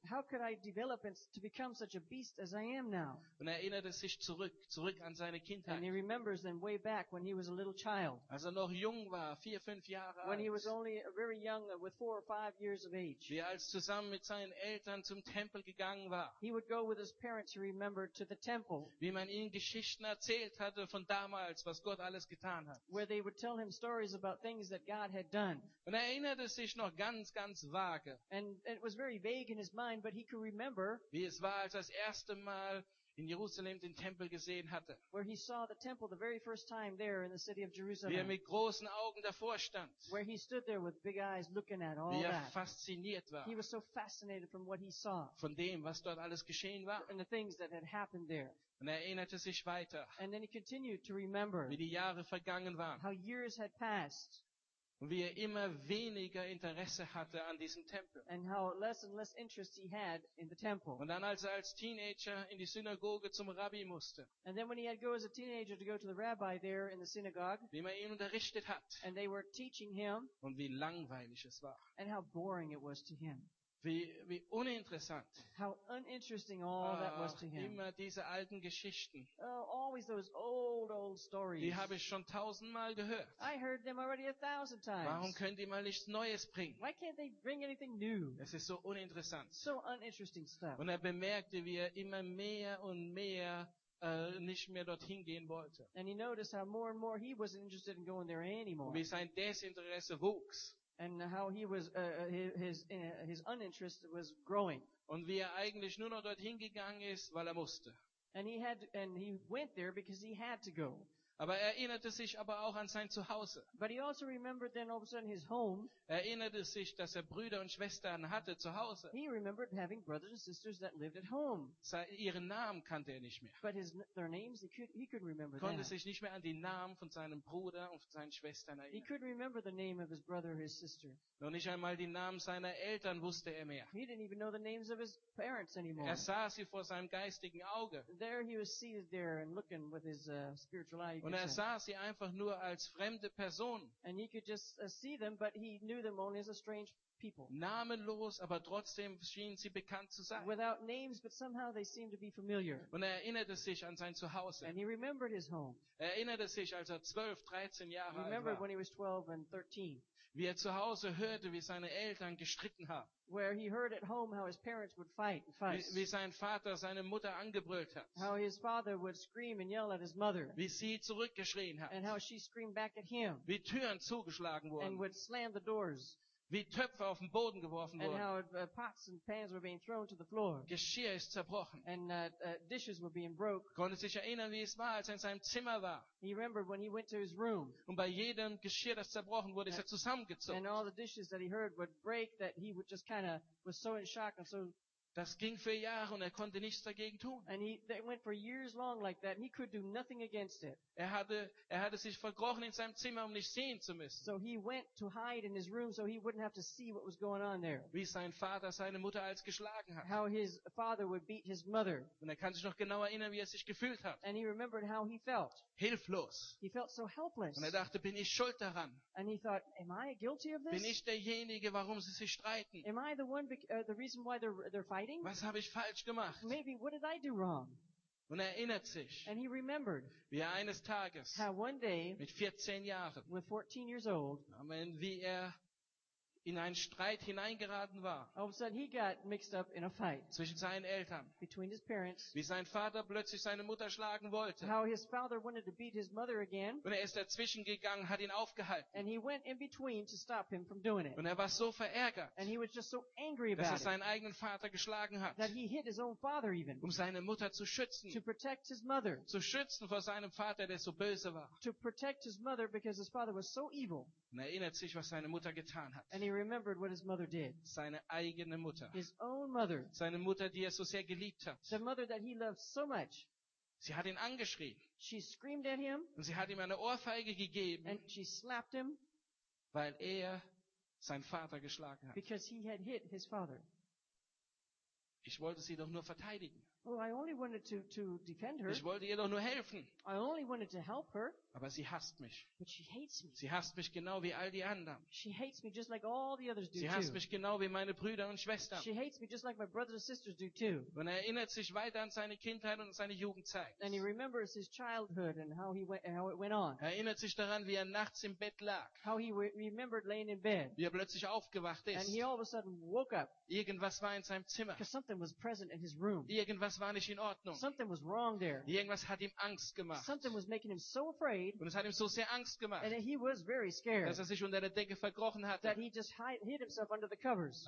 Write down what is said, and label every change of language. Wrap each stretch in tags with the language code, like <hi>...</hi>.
<en>How could I develop to become such a beast as I am now?</en> <de>Und er erinnerte sich zurück an seine Kindheit.</de> <en>And he remembers then way back when he was a little child.</en> <de>Als er noch jung war, 4-5 Jahre</de> <en>when When he was only very young, with 4 or 5 years of age.</en> <de>Wie er als zusammen mit seinen Eltern zum Tempel gegangen.</de> <en>He would go with his parents, you remember, to the temple.</en> <de>Wie man ihnen Geschichten erzählt hatte von damals, was Gott alles getan hat.</de> <en>Where they would tell him stories about things that God had done.</en> <de>Und er erinnerte sich noch ganz, ganz vage.</de> <en>And it was very vague in his mind, but he could remember.</en> <de>Wie es war, als er das erste Mal in Jerusalem den Tempel gesehen hatte.</de> <en>Where he saw the temple the very first time there in the city of Jerusalem.</en> <de>Wie er mit großen Augen davor stand.</de> <en>Where he stood there with big eyes looking at all that.</en> <de>Wie er fasziniert war.</de> <en>He was so fascinated from what he saw.</en> <de>Von dem, was dort alles geschehen war.</de> <en>And the things that had happened there.</en> <de>Und er erinnerte sich weiter.</de> <en>And then he continued to remember.</en> <de>Wie die Jahre vergangen waren.</de> <en>How years had passed.</en> <de>Und wie er immer weniger Interesse hatte an diesem Tempel.</de> <en>And how less and less interest he had in the temple.</en> <de>Und dann als er als Teenager in die Synagoge zum Rabbi musste.</de> <en>And then when he had to go as a teenager to go to the rabbi there in the synagogue.</en> <de>Wie man ihn unterrichtet hat.</de> <en>And they were teaching him.</en> <de>Und wie langweilig es war.</de> <en>And how boring it was to him.</en> <de>Wie uninteressant.</de> <en>How uninteresting all that was to him.</en> <de>Immer diese alten Geschichten.</de> <en>Oh, always those old stories.</en> <de>Die habe ich schon tausendmal gehört.</de> <en>I heard them already 1,000 times.</en> <de>Warum können die mal nichts Neues bringen?</de> <en>Why can't they bring anything new?</en> <de>Es ist so uninteressant.</de> <en>So uninteresting stuff.</en> <de>Und er bemerkte, wie er immer mehr und mehr nicht mehr dorthin gehen wollte.</de> <en>And he noticed how more and more he wasn't interested in going there anymore.</en> <de>Wie sein Desinteresse wuchs.</de> <en>And how he was his uninterest was growing.</en> <de>Und wie er eigentlich nur noch dorthin gegangen ist, weil er musste.</de> <en>And he went there because he had to go.</en> <de>Aber er erinnerte sich aber auch an sein Zuhause.</de> <en>But he also remembered then all of a sudden his home.</en> <de>Er erinnerte sich, dass er Brüder und Schwestern hatte zu Hause.</de> <en>He remembered having brothers and sisters that lived at home.</en> <de>Ihren Namen kannte er nicht mehr.</de> <en>But their names, he could remember</en> <de>konnte</de> <en>that.</en> <de>Sich nicht mehr an die Namen von seinem Bruder und von seinen Schwestern erinnern.</de> <en>He could remember the name of his brother or his sister.</en> <de>Noch nicht einmal die Namen seiner Eltern wusste er mehr.</de> <en>He didn't even know the names of his parents anymore.</en> <de>Er sah sie vor seinem geistigen Auge.</de> <en>There he was seated there and looking with his spiritual eye.</en> <de>Und er sah sie einfach nur als fremde Person.</de> <en>And he could just see them, but he knew them only as a strange people.</en> <de>Namenlos, aber trotzdem schienen sie bekannt zu sein.</de> <en>Without names, but somehow they seemed to be familiar.</en> <de>Und er erinnerte sich an sein Zuhause.</de> <en>And he remembered his home.</en> <de>Er erinnerte sich, als er 12, 13 Jahre alt war.</de> <en>Remembered when he was 12 and 13.</en> <de>Wie er zu Hause hörte, wie seine Eltern gestritten haben.</de> <en>Where he heard at home how his parents would fight and fuss.</en> <de>Wie sein Vater seine Mutter angebrüllt hat.</de> <en>How his father would scream and yell at his mother.</en> <de>Wie sie zurückgeschrien hat.</de> <en>And how she screamed back at him.</en> <de>Wie Türen zugeschlagen wurden.</de> <en>And would slam the doors.</en> <de>wie Töpfe auf den Boden geworfen wurden.</de> <en>And how pots and pans were being thrown to the floor.</en> <de>Geschirr ist zerbrochen.</de> <en>And dishes were being broke.</en> <de>Konnte sich erinnern, wie es war, als er in seinem Zimmer war.</de> <en>He remembered when he went to his room.</en> <de>Und bei jedem Geschirr, das zerbrochen wurde, ist er zusammengezuckt.</de> <en>And all the dishes that he heard would break, that he would just kind of was so in shock and so.</en> <de>Das ging für Jahre und er konnte nichts dagegen tun.</de> <en>And that went for years long like that, and he could do nothing against it.</en> <de>Er hatte sich verkrochen in seinem Zimmer, um nicht sehen zu müssen.</de> <en>So he went to hide in his room so he wouldn't have to see what was going on there.</en> <de>Wie sein Vater seine Mutter als geschlagen hat.</de> <en>How his father would beat his mother.</en> <de>Und er kann sich noch genau erinnern, wie er sich gefühlt hat.</de> <en>And he remembered how he felt.</en> <de>Hilflos.</de> <en>He felt so helpless.</en> <de>Und er dachte, bin ich schuld daran?</de> <en>And he thought, am I guilty of this?</en> <de>Bin ich derjenige, warum sie sich streiten?</de> <en>Am I the one the reason why they're fighting?</en> <de>Was habe ich falsch gemacht?</de> <en>Maybe, what did I do wrong?</en> <de>Und er erinnert sich,</de> <en>and he remembered,</en> <de>wie er eines Tages,</de> <en>how one day,</en> <de>mit 14 Jahren,</de> <en>with 14 years old,</en> <de>Amen, wie er in einen Streit hineingeraten war,</de> <en>all of a sudden he got mixed up in a fight,</en> <de>zwischen seinen Eltern,</de> <en>between his parents,</en> <de>wie sein Vater plötzlich seine Mutter schlagen wollte,</de> <en>how his father wanted to beat his mother again,</en> <de>und er ist dazwischen gegangen, hat ihn aufgehalten,</de> <en>and he went in between to stop him from doing it,</en> <de>und er war so verärgert,</de> <en>and he was just so angry about it,</en> <de>dass er seinen eigenen Vater geschlagen hat,</de> <en>that he hit his own father even,</en> <de>um seine Mutter zu schützen,</de> <en>to protect his mother,</en> <de>zu schützen vor seinem Vater, der so böse war,</de> <en>to protect his mother because his father was so evil.</en> <de>Und er erinnert sich, was seine Mutter getan hat.</de> <en>And he remembered what his mother did.</en> <de>Seine eigene Mutter.</de> <en>His own mother.</en> <de>Seine Mutter, die er so sehr geliebt hat.</de> <en>The mother that he loved so much.</en> <de>Sie hat ihn angeschrien.</de> <en>She screamed at him.</en> <de>Und sie hat ihm eine Ohrfeige gegeben.</de> <en>And she slapped him.</en> <de>Weil er seinen Vater geschlagen hat.</de> <en>Because he had hit his father.</en> <de>Ich wollte sie doch nur verteidigen.</de> <en>Oh, I only wanted to defend her.</en> <de>Ich wollte ihr doch nur helfen.</de> <en>I only wanted to help her.</en> <de>Aber sie hasst mich.</de> <en>But she hates me.</en> <de>Sie hasst mich genau wie all die anderen.</de> <en>She hates me just like all the others do too.</en> <de>Sie hasst mich genau wie meine Brüder und Schwestern.</de> <en>She hates me just like my brothers and sisters do too.</en> <de>Und er erinnert sich weiter an seine Kindheit und seine Jugendzeit.</de> <en>And he remembers his childhood and how it went on.</en> <de>Er erinnert sich daran, wie er nachts im Bett lag.</de> <en>How he remembered laying in bed.</en> <de>Wie er plötzlich aufgewacht ist.</de> <en>And he all of a sudden woke up.</en> <de>Irgendwas war in seinem Zimmer.</de> <en>Because something was present in his room.</en> <de>Irgendwas war nicht in Ordnung.</de> <en>Something was wrong there.</en> <de>Irgendwas hat ihm Angst gemacht.</de> <en>Something was making him so afraid.</en> <de>Und es hat ihm so sehr Angst gemacht,</de> <en>and he was very scared,</en> <de>dass er sich unter der Decke verkrochen hatte.</de> <en>That he just hid himself under the covers.</en>